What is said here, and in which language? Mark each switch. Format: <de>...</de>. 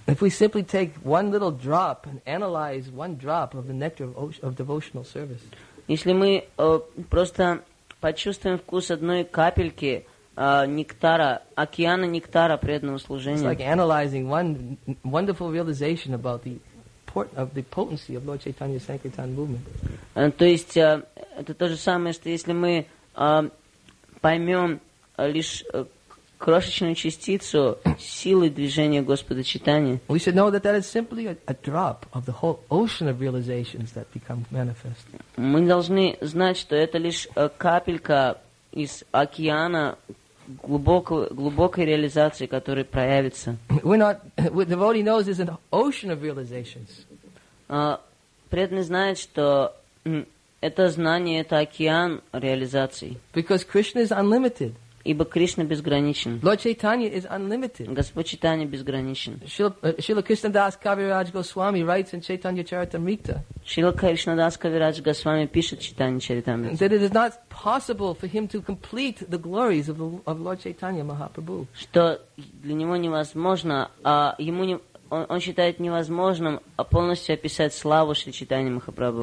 <en>If we simply take one little drop and analyze one drop of the nectar of devotional service.</en> <ru>Если мы просто почувствуем вкус одной капельки нектара, океана нектара преданного служения.</ru> <en>It's like analyzing one wonderful realization about the potency of Lord Chaitanya Sankirtan movement.</en> <ru>То есть это то же самое, что если мы поймем лишь крошечную частицу силы движения Господа Чайтани.</ru> <en>We should know that that is simply a drop of the whole ocean of realizations that become manifest.</en> <ru>Мы должны знать, что это лишь капелька из океана глубокой реализации, которая проявится.</ru> <en>What the devotee knows is an ocean of realizations.</en> <ru>Преданный знает, что это знание, это океан реализаций.</ru> <en>Because Krishna is unlimited.</en> <ru>Ибо Кришна безграничен.</ru> <en>Lord Chaitanya is unlimited.</en> <ru>Господь Чайтанья безграничен.</ru> <en>Шрила Кришнадас Кавирадж Госвами writes in Chaitanya Charitamrita.</en> <ru>Шрила Кришнадас Кавирадж Госвами пишет в Чайтанья Чаритамрите.</ru> <en>That it is not possible for him to complete the glories of Lord Chaitanya Mahaprabhu.</en> <ru>Что для него невозможно, он считает невозможным полностью описать славу Шри Чайтанья Махапрабху.</ru>